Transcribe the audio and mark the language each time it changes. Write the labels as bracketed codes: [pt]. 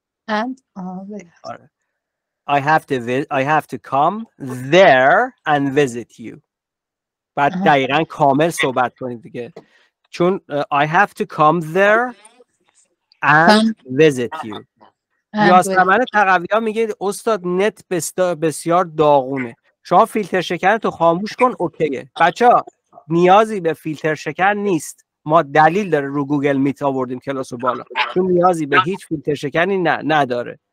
[en] I have to come there and visit you. [fa] بعد دقیقا کامل صحبت کنید دیگه. [en] چون I have to come there and visit you. [fa] یاسمن تقویان میگه استاد نت بسیار داغونه. شما فیلتر شکن تو خاموش کن اوکیه. بچه ها نیازی به فیلتر شکن نیست. ما دلیل داره رو گوگل میت آوردیم کلاس و بالا. چون نیازی به هیچ فیلتر شکنی نداره.